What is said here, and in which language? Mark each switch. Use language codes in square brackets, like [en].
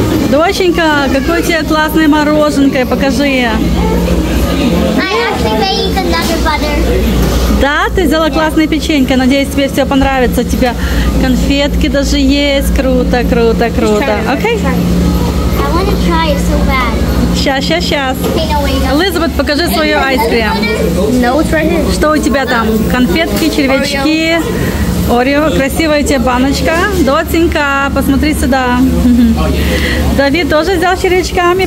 [ru] Доченька, какой у тебя классный мороженка, покажи. [en] I actually made another butter. [ru] Да, ты взяла классные печенька. Надеюсь, тебе все понравится. Тебе конфетки даже есть. Круто, круто, круто. Окей? [en] Okay? I wanna try it so bad. [ru] Сейчас. Elizabeth, покажи свою ice cream. [en] No, it's right here. [ru] Что у тебя там? Конфетки, червячки. Орео, красивая тебе баночка. Доценька, посмотри сюда. Давид тоже взял червячками.